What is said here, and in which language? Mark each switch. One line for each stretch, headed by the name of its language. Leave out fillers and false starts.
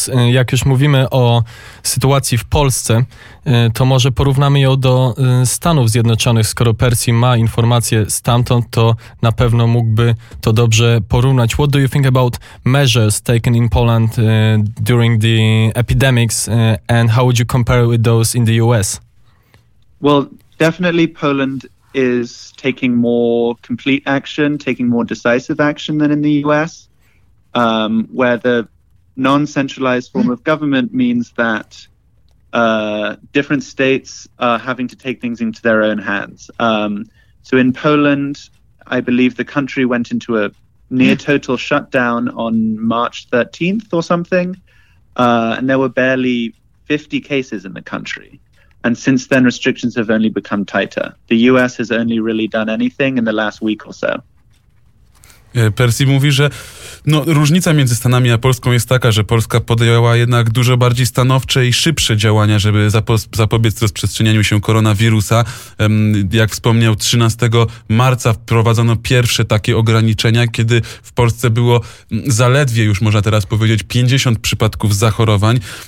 Polish: Jak już mówimy o sytuacji w Polsce, to może porównamy ją do Stanów Zjednoczonych. Skoro Percy ma informacje stamtąd, to na pewno mógłby to dobrze porównać.
English: What do you think about measures taken in Poland during the epidemics and how would you compare with those in the US? Well, definitely Poland is taking more complete action, taking more decisive action than in the US, where the non-centralized form of government means that different states are having to take things into their own hands. So in Poland, I believe the country went into a near total shutdown on March 13th or something. And there were barely 50 cases in the country. And since then, restrictions have only become tighter. The US has only really done anything in the last week or so.
Polish: Percy mówi, że no, różnica między Stanami a Polską jest taka, że Polska podjęła jednak dużo bardziej stanowcze i szybsze działania, żeby zapobiec rozprzestrzenianiu się koronawirusa. Jak wspomniał, 13 marca wprowadzono pierwsze takie ograniczenia, kiedy w Polsce było zaledwie, już można teraz powiedzieć, 50 przypadków zachorowań.